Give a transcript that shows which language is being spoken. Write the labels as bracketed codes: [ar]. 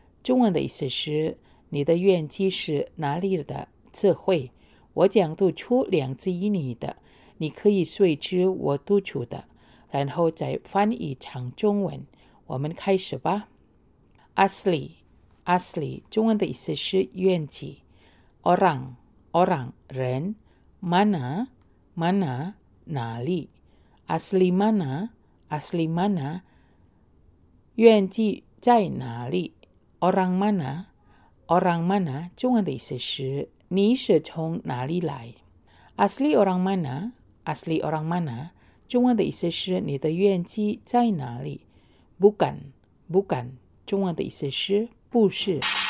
[zh] 中文的意思是你的原籍是哪里的词汇。我将读出两字英语的，你可以随之我读出的，然后再翻译成中文。我们开始吧。 [ms] Asli Asli [zh] 中文的意思是原籍。 [ms] Orang Orang [zh] 人。 [ms] Mana Mana [zh] 哪里。 [ms] Asli mana Asli mana [zh] 原籍在哪里。 [ms] Orang mana? Orang mana? [zh] 中文的意思是你是从哪里来。 [ms] Asli orang mana? Asli orang mana? [zh] 中文的意思是你的原籍在哪里。 [ms] Bukan Bukan [zh] 中文的意思是不是。